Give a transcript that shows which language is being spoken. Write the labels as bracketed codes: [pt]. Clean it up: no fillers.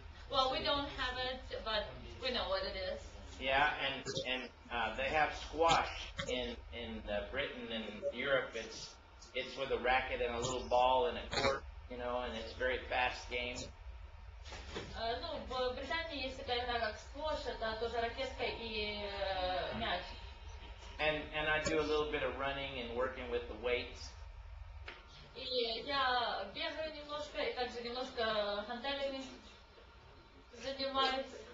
[en] Well, we don't have it, but we know what it is. Yeah, and they have squash in Britain and Europe. It's with a racket and a little ball and a court, you know, and it's a very fast game. [ru] Ну, в Британии есть такая игра, как сквош, это тоже ракетка и мяч. [en] And I do a little bit of running and working with the weights. [ru] И я бегаю немножко и также немножко гантелями занимаюсь.